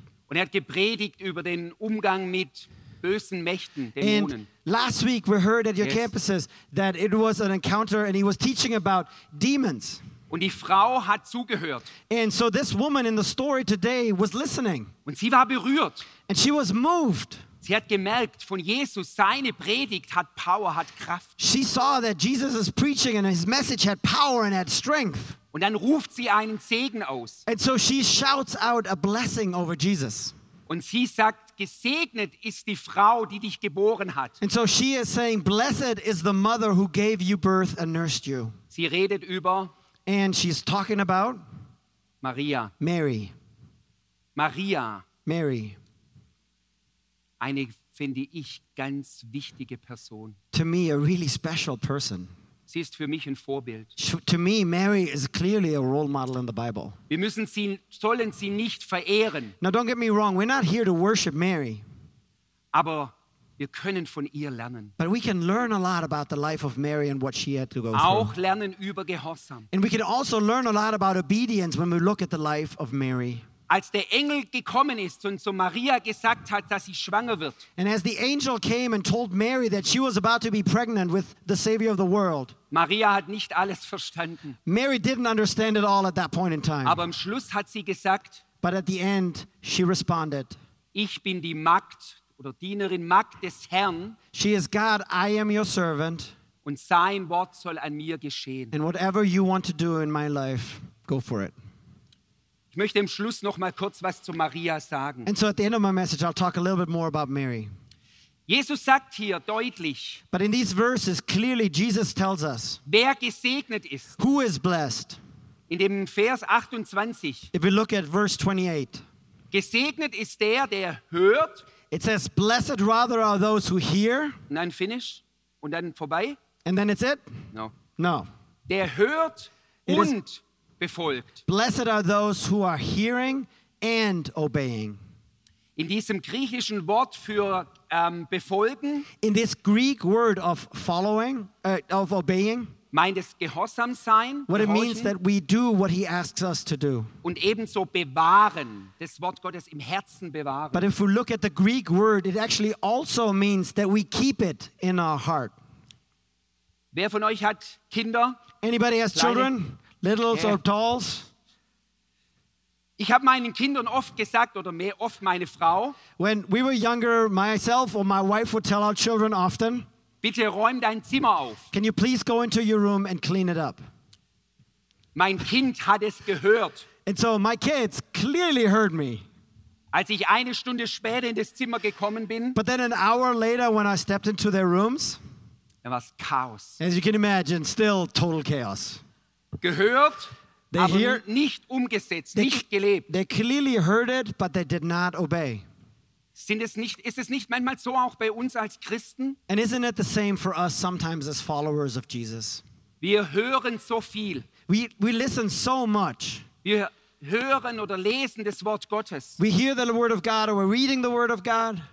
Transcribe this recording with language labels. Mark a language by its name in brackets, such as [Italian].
[German] Und er hat gepredigt über den Umgang mit bösen Mächten, Dämonen. [English] And last week we heard at your yes. campuses that it was an encounter and he was teaching about demons. [German] Und die Frau hat zugehört. [English] And so this woman in the story today was listening. [German] Und sie war berührt. [English] And she was moved. [German] Sie hat gemerkt, von Jesus, seine Predigt hat Power, hat Kraft. [English] She saw that Jesus is preaching and his message had power and had strength. [German] Und dann ruft sie einen Segen aus. [English] And so she shouts out a blessing over Jesus. [German] Und sie sagt, gesegnet ist die Frau, die dich geboren hat. [English] And so she is saying, blessed is the mother who gave you birth and nursed you. [German] Sie redet über. [English] And she's talking about. [German] Maria. [English] Mary. [German] Maria. [English] Mary. [German] Eine, finde ich, ganz wichtige Person. [English] To me, a really special person. [German] Sie ist für mich ein Vorbild. [English] To me, Mary is clearly a role model in the Bible. [German] Wir müssen sie, sollen sie nicht verehren. [English] Now don't get me wrong, we're not here to worship Mary. [German] Aber wir können von ihr lernen. [English] But we can learn a lot about the life of Mary and what she had to go [German] auch [English] through. [German] Auch lernen über Gehorsam. [English] And we can also learn a lot about obedience when we look at the life of Mary. [German] Als der Engel gekommen ist und zu Maria gesagt hat, dass sie schwanger wird. [English] And as the angel came and told Mary that she was about to be pregnant with the Savior of the world. [German] Maria hat nicht alles verstanden. [English] Mary didn't understand it all at that point in time. [German] Aber am Schluss hat sie gesagt. [English] But at the end, she responded. [German] Ich bin die Magd oder Dienerin Magd des Herrn. [English] She is God, I am your servant. [German] Und sein Wort soll an mir geschehen. [English] And whatever you want to do in my life, go for it. [German] Ich möchte im Schluss noch mal kurz was zu Maria sagen. [English] And so at the end of my message, I'll talk a little bit more about Mary. [German] Jesus sagt hier deutlich. [English] But in these verses, clearly Jesus tells us. [German] Wer gesegnet ist. [English] Who is blessed. [German] In dem Vers 28. [English] If we look at verse 28. [German] Gesegnet ist der, der hört. [English] It says, blessed rather are those who hear. And then finish. [German] Und dann vorbei. [English] And then it's it? No. No. [German] Der hört it und befolgt. [English] Blessed are those who are hearing and obeying. [German] In diesem griechischen Wort für befolgen. [English] In this Greek word of following, of obeying. [German] Meint es gehorsam sein? [English] What it means that we do what he asks us to do. [German] Und ebenso bewahren, das Wort Gottes im Herzen bewahren. [English] But if we look at the Greek word, it actually also means that we keep it in our heart. [German] Wer von euch hat Kinder? [English] Anybody has children? Littles or talls? [German] Ich habe meinen Kindern oft gesagt, oder mehr oft meine Frau. [English] When we were younger, myself or my wife would tell our children often. [German] Bitte räum dein Zimmer auf. [English] Can you please go into your room and clean it up? [German] Mein Kind hat es gehört. [English] And so my kids clearly heard me. [German] Als ich eine Stunde später in das Zimmer gekommen bin. [English] But then an hour later when I stepped into their rooms. [German] Da war Chaos. [English] As you can imagine, still total chaos. [German] Gehört, they aber hear, nicht umgesetzt, they, nicht gelebt. [English] They clearly heard it, but they did not obey. [German] Ist es nicht manchmal so auch bei uns als Christen? [English] And isn't it the same for us sometimes as followers of Jesus? [German] Wir hören so viel. [English] We listen so much. [German] Wir hören oder lesen das Wort Gottes. [English] We hear the word of God or we're reading the word of God.